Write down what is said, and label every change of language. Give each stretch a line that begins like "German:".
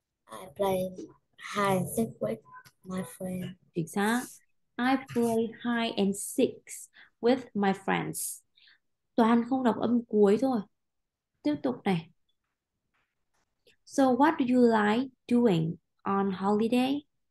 English: I play hide and seek with my friend.
Vietnamese: Chính xác.
English: I play hide and seek with my friends.
Vietnamese: Toàn không đọc âm cuối thôi. Tiếp tục này.
English: So what do you like doing on holiday?